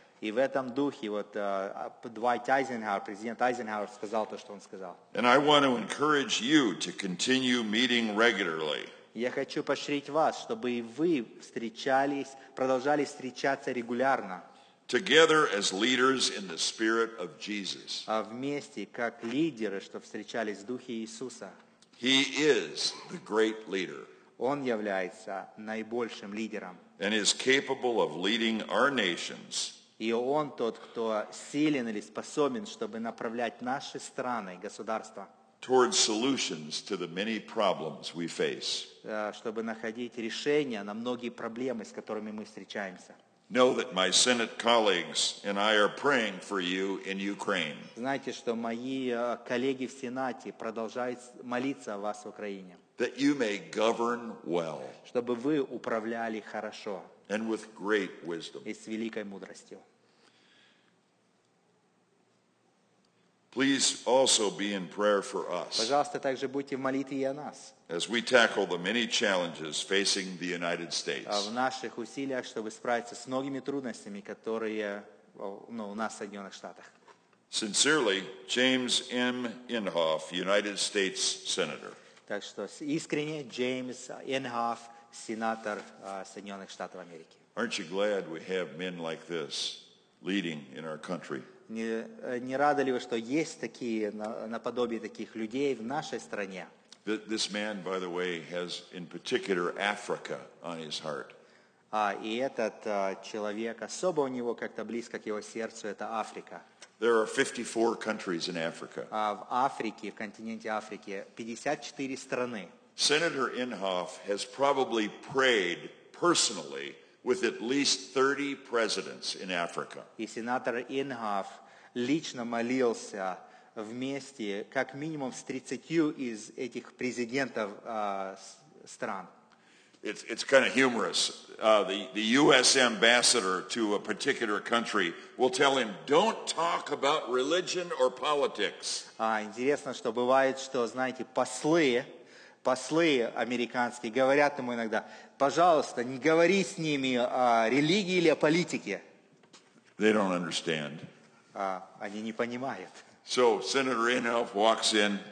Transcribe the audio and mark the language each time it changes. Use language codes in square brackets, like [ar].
[ru] И в этом духе вот Дуайт Айзенхауэр, президент Айзенхауэр сказал то, что он сказал. [en] And I want to encourage you to continue meeting regularly. [ru] Я хочу поощрить вас, чтобы и вы встречались, продолжали встречаться регулярно. [en] Together as leaders in the spirit of Jesus. [ru] А вместе как лидеры, что встречались в духе Иисуса. [en] He is the great leader. [ru] Он является наибольшим лидером. [en] And is capable of leading our nations. [ru] И он тот, кто силен или способен, чтобы направлять наши страны, государства. [en] Towards solutions to the many problems we face. [ru] Чтобы находить решения на многие проблемы, с которыми мы встречаемся. [en] Know that my Senate colleagues and I are praying for you in Ukraine. [ru] Знаете, что мои коллеги в Сенате продолжают молиться о вас в Украине. [en] That you may govern well. [ru] Чтобы вы управляли хорошо. [en] And with great wisdom. [ru] И с великой мудростью. [en] Please also be in prayer for us. [ru] Пожалуйста, также будьте в молитве и о нас. [en] As we tackle the many challenges facing the United States. [ru] В наших усилиях, чтобы справиться с многими трудностями, которые, ну, у нас в Соединенных Штатах. [en] Sincerely, James M. Inhofe, United States Senator. [ru] Так что искренне, James Inhofe, сенатор Соединенных Штатов Америки. [en] Aren't you glad we have men like this leading in our country? [ru] Не рады ли вы, что есть такие, наподобие таких людей в нашей стране? [en] This man, by the way, has in particular Africa on his heart. [ru] И этот человек, особо у него как-то близко к его сердцу, это Африка. [en] There are 54 countries in Africa. [ru] В Африке, в континенте Африки, 54 страны. [en] Senator Inhofe has probably prayed personally with at least 30 presidents in Africa. [ru] И сенатор Inhofe лично молился вместе как минимум с 30 из этих президентов стран. [en] It's kind of humorous. The U.S. ambassador to a particular country will tell him, "Don't talk about religion or politics." [ru] Интересно, что бывает, что знаете, послы американские говорят ему иногда. Пожалуйста, не говори с ними о религии или о политике. [en] They don't understand. [ru] Они не понимают. [en] So, Senator Inhofe walks in.